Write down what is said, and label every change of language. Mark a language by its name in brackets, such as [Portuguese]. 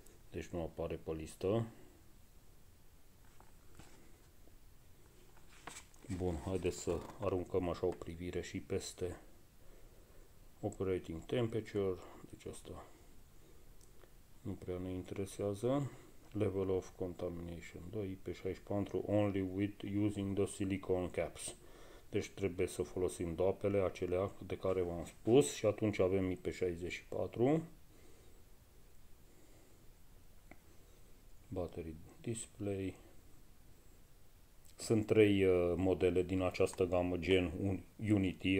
[Romanian] Deci nu apare pe listă. Bun, haideți să aruncăm așa o privire și peste [English] operating temperature. [Romanian] Deci asta nu prea ne interesează. [English] Level of contamination, 2 IP64, only with using the silicone caps. [Romanian] Deci trebuie să folosim doapele acelea de care v-am spus și atunci avem IP64. [English] Battery display. [Romanian] Sunt trei modele din această gamă gen Unity.